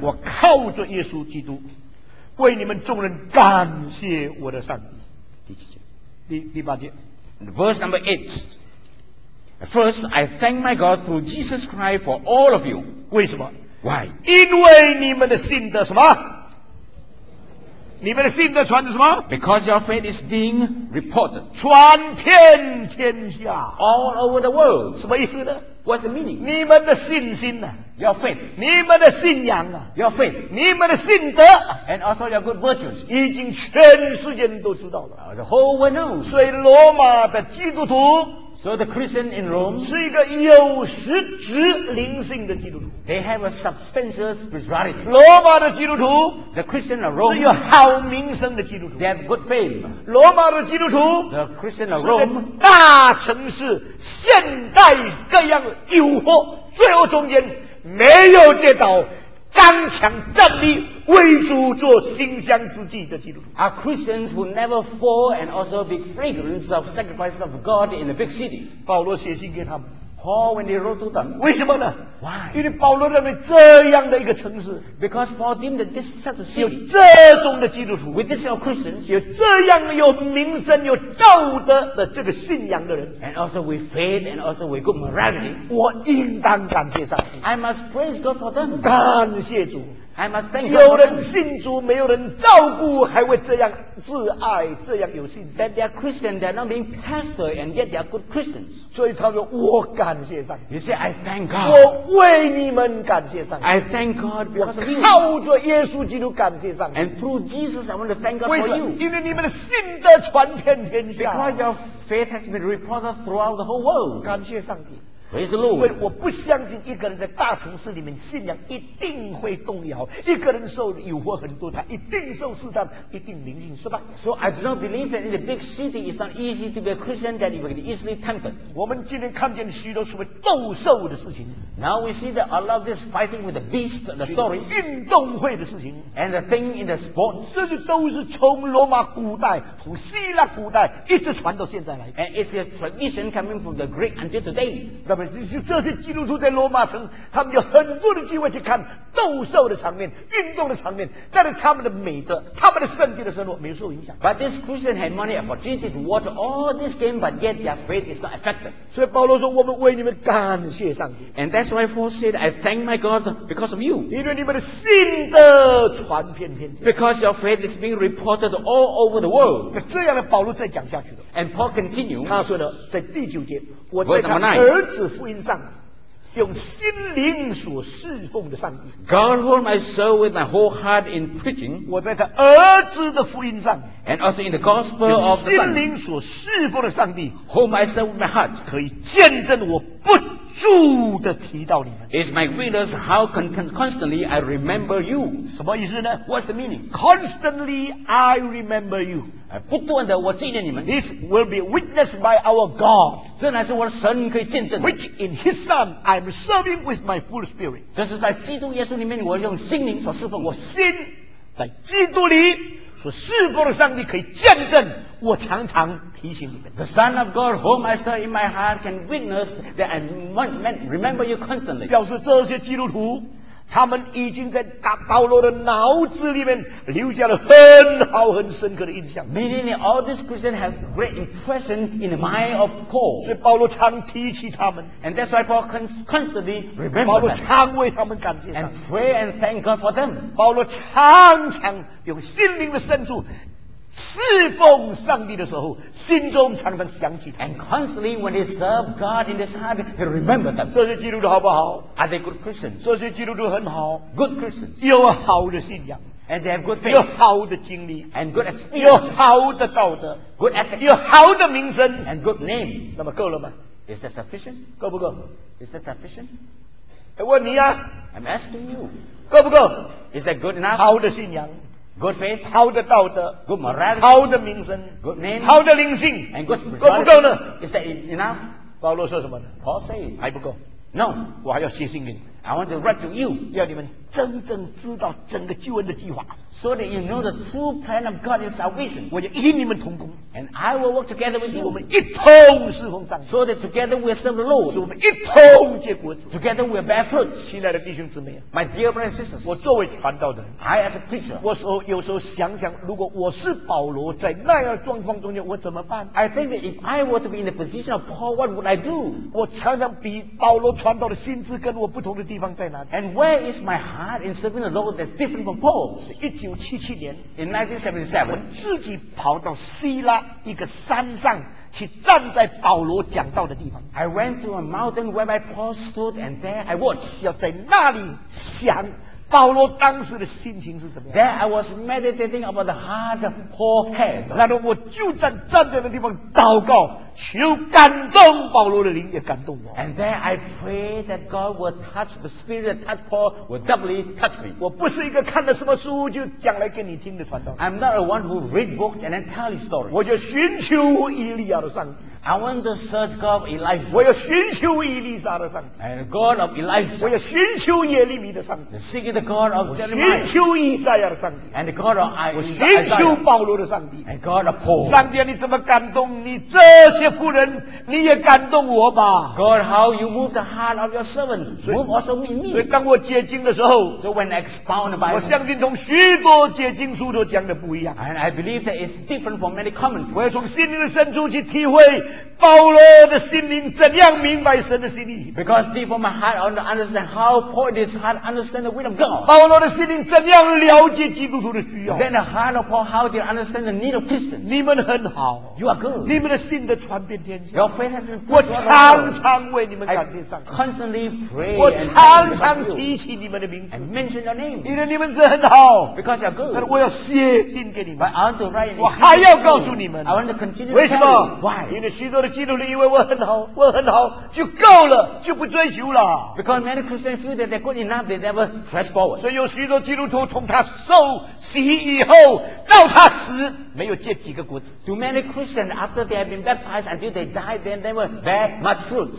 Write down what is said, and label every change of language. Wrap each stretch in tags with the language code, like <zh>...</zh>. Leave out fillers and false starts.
<zh>我靠着耶稣基督为你们众人感谢我的上帝。第八节</zh> <en>verse number 8， First I thank my God through Jesus Christ for all of you。</en> <zh>为什么？</zh> <en>Why？</en> <zh>因为你们的信的什么？你们的信的传的什么？</zh> <en>Because your faith is being reported，</en> <zh>传遍天下，</zh> <en>all over the world。</en> <zh>什么意思呢？</zh> <en>What's the meaning？</en> <zh>你们的信心啊，</zh> <en>your faith，</en> <zh>你们的信仰啊，</zh> <en>your faith，</en> <zh>你们的信德，</zh> <en>and also your good virtues，</en> <zh>已经全世界人都知道了，</zh> <en>the whole world knows。</en> <zh>所以罗马的基督徒，</zh> <en>so the Christian in Rome，</en> <zh>是一个有实质灵性的基督徒，</zh> <en>they have a substantial spirituality。</en> <zh>罗马的基督徒，</zh> <en>the Christian of Rome，</en> <zh>是有好名声的基督徒，</zh> <en>they have good fame。</en> <zh>罗马的基督徒，</zh> <en>the Christian of Rome，</en> <zh>是大城市现代各样诱惑最后中间没有跌倒，刚强站立，为主做馨香之祭的基督徒。</zh> <en>Are Christians who never fall and also be fragrance of sacrifices of God in the big city？</en> <zh>保罗写信给他们。</zh> <en>Paul when he wrote to them，</en> <zh>为什么呢？</zh> <en>Why？</en> <zh>因为保罗认为这样的一个城市</zh> <en>，because Paul deemed that this such a city，</en> <zh>有这种的基督徒</zh> <en>，with this of Christians，</en> <zh>有这样有名声、有道德的这个信仰的人</zh> <en>，and also with faith and also with good morality，</en> <zh>我应当感谢上帝。</zh> <en>I must praise God for them。</en> <zh>感谢主。</zh> <en>I must thank God。</en> <zh>有人信主，没有人照顾，还会这样自爱，这样有信心。</zh> <en>That they are Christians, they are not being pastored, and yet they are good Christians。</en> <zh>所以他说：“我感谢上帝。”</zh> <en>You say, I thank God。</en> <zh>我为你们感谢上帝。</zh> <en>I thank God because of you。</en> <zh>靠着耶稣基督感谢上帝。</zh> <en>And through Jesus, I want to thank God for you。</en> <zh>因为你们的信德传遍天下。</zh> <en>Because your faith has been reported throughout the whole world。</en> <zh>感谢上帝。</zh> <en>Praise the Lord。</en> <zh>所以我不相信一个人在大城市里面信仰一定会动摇，一个人受诱惑很多，他一定受试探，一定灵性失败。</zh> <en>So I do not believe that in the big city it's not easy to be a Christian, that you will be easily tempted。</en> <zh>我们今天看见许多所谓斗兽的事情，</zh> <en>Now we see that a lot of this fighting with the beast, the story，</en> <zh>运动会的事情，</zh> <en>and the thing in the sports，</en> <zh>这些都是从罗马古代、从希腊古代一直传到现在来。</zh> <en>And it's a tradition coming from the Greek until today。</en> <zh>这些基督徒在罗马城，他们有很多的机会去看斗兽的场面、运动的场面，但是他们的美德、他们的圣洁的生活没受影响。</zh> <en>But this Christian had many opportunities to watch all this game, but yet their faith is not affected.</en> <zh>所以保罗说：“我们为你们感谢上帝。”</zh> <en>And that's why Paul said, "I thank my God because of you."</en> <zh>因为你们的信德传遍天下。</zh> <en>Because your faith is being reported all over the world.</en> <zh>这样的保罗再讲下去了。</zh> <en>And Paul continued.</en> <zh>他说呢，在第九节，我在看儿子福音上用心灵所侍奉的上帝。</zh> <en>God whom I serve with my whole heart in preaching，</en> <zh>我在他儿子的福音上，</zh> <en>and also in the gospel of the Son，</en> <zh>用心灵所侍奉的上帝，</zh> <en>whom I serve with my heart，</en> <zh>可以见证我不住地提到你们。</zh> <en>It's my witness how constantly I remember you。</en> <zh>什么意思呢？</zh> <en>What's the meaning？ Constantly I remember you。</en> <zh>不断的我纪念你们。</zh> <en>This will be witnessed by our God，</en> <zh>这乃是我的神可以见证的。</zh> <en>Which in his son I'm serving with my full spirit，</en> <zh>这是在基督耶稣里面我用心灵所侍奉。我心在基督里所侍奉的上帝可以见证，我常常提醒你们。</zh> <en>The son of God whom I serve in my heart can witness that I remember you constantly，</en> <zh>表示这些基督徒他们已经在保罗的脑子里面留下了很好很深刻的印象。</zh> <en>Meaning that all these Christians have great impression in the mind of Paul，</en> <zh>所以保罗常提起他们。</zh> <en>And that's why Paul constantly remember them，</en> <zh>保罗常为他们感谢上帝。</zh> <en>And pray and thank God for them，</en> <zh>保罗常常用心灵的深处侍奉上帝的时候，心中常常想起。</zh> <en>And constantly when they serve God in his heart, he remembered them。</en> <zh>这些基督徒好不好？</zh> <en>Are they good Christians？</en> <zh>这些基督徒很好。</zh> <en>Good Christians。</en> <zh>有好的信仰。</zh> <en>And they have good faith。</en> <zh>有好的经历。</zh> <en>And good experience。</en> <zh>有好的道德。</zh> <en>Good ethics。</en> <zh>有好的名声。</zh> <en>And good name。</en> <zh>那么够了吗？</zh> <en>Is that sufficient？</en> <zh>够不够？</zh> <en>Is that sufficient？</en> <zh>问你啊。</zh> <en>I'm asking you。</en> <zh>够不够？</zh> <en>Is that good enough？</en> <zh>好的信仰。</zh> <en>Good faith，</en> <zh>好的道德</zh> <en>，good morality，</en> <zh>好的名声</zh> <en>，good name，</en> <zh>好的灵性</zh> <en>，and good spirit，</en> <zh>够不够呢</zh> <en>？Is that enough？</en> <zh>保罗说什么呢</zh> <en>？Paul said，</en> <zh>还不够。</zh> <en>No，</en> <zh>我还要写信给你。</zh> <en>I want to write to you，</en> <zh>要你们真正知道整个救恩的计划。</zh> <en>So that you know the true plan of God in salvation.</en> <zh>我就与你们同工。</zh> <en>And I will work together with you.</en> <zh>我们一同侍奉上帝。</zh> <en>So that together we serve the Lord.</en> <zh>使我们一同结果子。</zh> <en>Together we bear fruit.</en> <zh>亲爱的弟兄姊妹。</zh> <en>My dear brothers and sisters.</en> <zh>我作为传道的人。</zh> <en>I as a preacher.</en> <zh>我有时候想想，如果我是保罗，在那样状况中间，我怎么办？</zh> <en>I think that if I were to be in the position of Paul, what would I do?</en> <zh>我常常比保罗传道的心智跟我不同的地方在哪里？</zh> <en>And where is my heart in serving the Lord that's different from Paul's?</en> <zh>1977年</zh> <en>in 1977,</en> <zh>我自己跑到希腊一个山上去站在保罗讲道的地方。</zh> <en>I went to a mountain where my Paul stood, and there I watched.</en> <zh>要在那里想保罗当时的心情是怎么样。</zh> <en>There I was meditating about the heart of Paul had.</en> <zh>然后我就站在那地方祷告，求感动保罗的灵也感动我。</zh> <en>And then I pray that God will touch the spirit that touched Paul will doubly touch me.</en> <zh>我不是一个看了什么书就讲来给你听的传道。</zh> <en>I'm not a one who read books and then tell you stories.</en> <zh>我就寻求以利亚的上帝。</zh> <en>I want to search God of Elijah.</en> <zh>我要寻求以利沙的上帝。</zh> <en>And God of Elijah.</en> <zh>我要寻求耶利米的上帝。</zh> <en>Seeking the God of Jeremiah.</en> <zh>寻求以赛亚的上帝。</zh> <en>And God of Isaiah.</en> <zh>我寻求保罗的上帝。</zh> <en>And God of Paul.</en> <zh>上帝，你怎么感动你这些妇人，你也感动我吧。</zh> <en>God, how you move the heart of your servant, move also me.</en> <zh>所以当我解经的时候</zh> <en>，So when I expound the Bible,</en> <zh>我相信同许多解经书都讲的不一样。</zh> <en>And I believe that it's different from many commons.</en> <zh>我要从心灵的深处去体会。保罗的心灵怎样明白神的心意</zh> <en>？Because deep from my heart, I want to understand how Paul is heart understand the will of God.</en> <zh>保罗的心灵怎样了解基督徒的需要</zh> <en>？Then the heart of Paul, how did understand the need of Christians?</en> <zh>你们很好</zh> <en>，You are good.</en> <zh>你们的信的传遍天下</zh> <en>，Your faith has been.</en> <zh>我常常为你们感谢上帝</zh> <en>，Constantly pray.</en> <zh>我常常提起你们的名字</zh> <en>，And mention your name.</en> <zh>因为你们是很好</zh> <en>，Because you are good.</en> <zh>但我要写信给你们</zh> <en>，I want to write.</en> <zh>我还要告诉你们</zh> <en>，I want to continue.</en> <zh>为什么</zh> <en>？Why?</en> <zh>因为许多的基督徒以为我很好就够了，就不追求了。</zh> <en>Because many Christians feel that they're good enough, they never press forward.</en> <zh>所以有许多基督徒从他受洗以后到他死，没有结几个果子。</zh> <en>Too many Christians after they have been baptized until they die, they never bear much fruit.</en>